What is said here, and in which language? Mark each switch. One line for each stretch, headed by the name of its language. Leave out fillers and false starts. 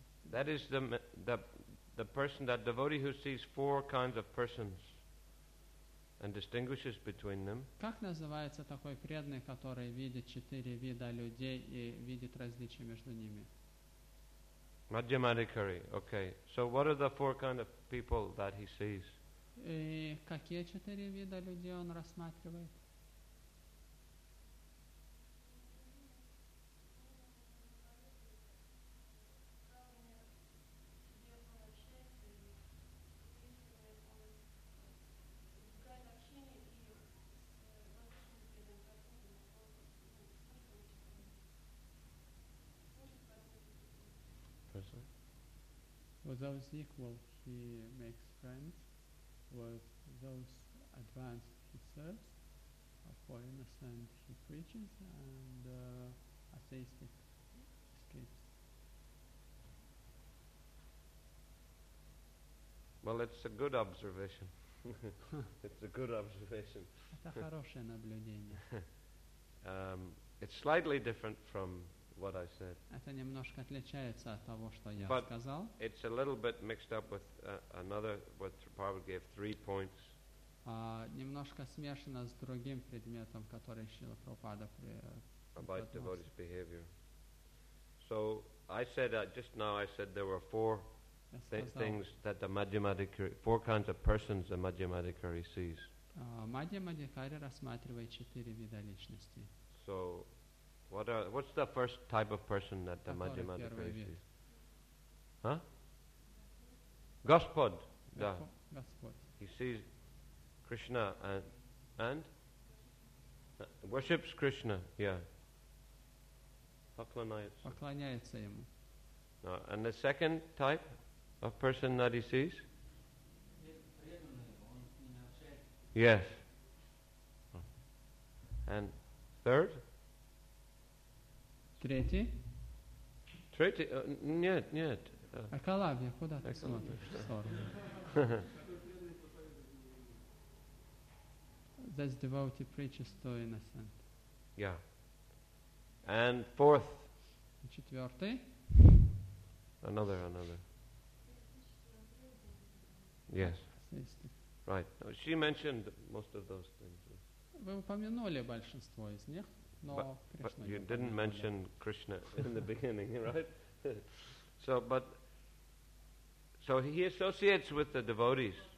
English: That is the person, that devotee who sees four kinds of persons and distinguishes between them.
Russian: Как называется такой преданный, который видит четыре вида людей и видит различия между ними?
English: Madhyamadikari. Okay. So what are the four kind of people that he sees?
Russian: И какие четыре вида людей он рассматривает?
English: With those equal, he makes friends. With those advanced, he serves. For innocent, he preaches. And atheistic, escapes. Well, it's a good observation. It's a good observation.
Russian: Это хорошее наблюдение.
English: It's slightly different from what I said.
Russian: Это немножко отличается от того, что я
English: but
Russian: сказал.
English: It's a little bit mixed up with another, what Prabhupada gave, three points.
Russian: Немножко смешано с другим предметом, который Шрила Прабхупада
English: about devotee's behavior. So I said just now. I said there were four things that the Madhyamadikari, four kinds of persons the Madhyamadikari sees.
Russian: Madhyamadikari рассматривает четыре вида личности.
English: So. What's the first type of person that the Madhyamadikari sees? Huh? Gospod.
Russian: Gospod.
English: He sees Krishna and worships Krishna, yeah.
Russian: Поклоняется ему.
English: And the second type of person that he sees? Yes. And third?
Russian: Третий? Третий? Нет, нет. А Калавья, куда ты смотришь в сторону?
English: That's devotee preaches to innocent. Yeah. And fourth?
Russian: Четвертый?
English: Another. Yes. Right. She mentioned most of those things.
Russian: Вы упомянули большинство из них, но
English: Krishna. You didn't mention Krishna in the beginning, right? So he associates with the devotees.